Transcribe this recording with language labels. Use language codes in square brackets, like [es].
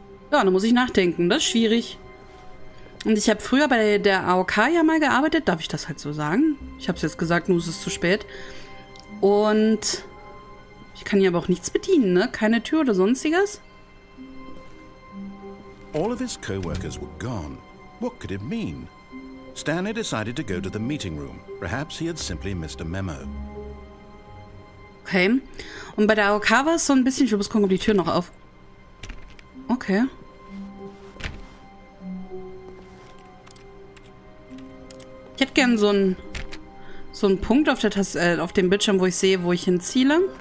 [de] Ja, da muss ich nachdenken, das ist schwierig. Und ich habe früher bei der AOK ja mal gearbeitet, darf ich das halt so sagen? Ich habe es jetzt gesagt, nur ist es zu spät. Und ich kann hier aber auch nichts bedienen, ne? Keine Tür oder sonstiges. [en] All of his co-workers were gone. What could it mean? Stanley decided to go to the meeting room. Perhaps he had simply missed a memo. Okay. [de] Und bei der AOK war es so ein bisschen, ich muss gucken, ob die Tür noch auf. Okay. Ich hätte gern so einen Punkt auf der auf dem Bildschirm, wo ich sehe, wo ich hinziele.